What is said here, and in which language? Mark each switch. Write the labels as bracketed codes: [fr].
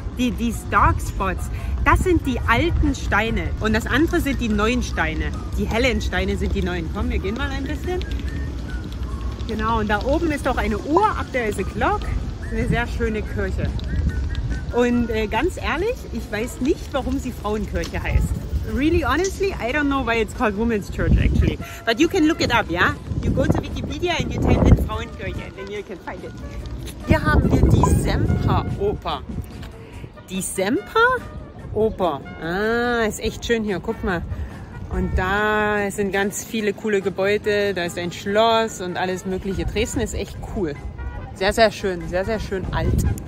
[de] Die Dark Spots, das sind die alten Steine und das andere sind die neuen Steine. Die hellen Steine sind die neuen. Komm, wir gehen mal ein bisschen. Genau, und da oben ist auch eine Uhr, [en] up there is a clock. [de] Eine sehr schöne Kirche. Und ganz ehrlich, ich weiß nicht, warum sie Frauenkirche heißt. [en] Really honestly, I don't know why it's called Women's Church actually. But you can look it up, yeah? You go to Wikipedia and you type in Frauenkirche and then you can find it. [de] Hier haben wir die Semperoper. Die Semperoper. Ah, ist echt schön hier, guck mal. Und da sind ganz viele coole Gebäude, da ist ein Schloss und alles mögliche. Dresden ist echt cool. Sehr, sehr schön, alt.